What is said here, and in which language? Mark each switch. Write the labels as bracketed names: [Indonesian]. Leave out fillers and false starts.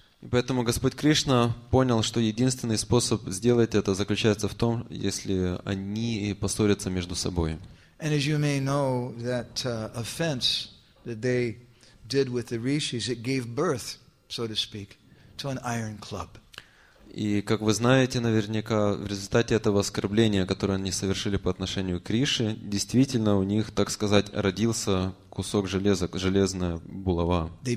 [Russian] Поэтому Господь Кришна понял, что единственный способ сделать это заключается в том, если они поссорятся между собой. [English] And as you may know, that offense that they did with the rishis, it gave birth, so to speak, to an iron club. [Russian] И, как вы знаете, наверняка, в результате этого оскорбления, которое они совершили по отношению к Крише, действительно у них, так сказать, родился кусок железа, железная булава.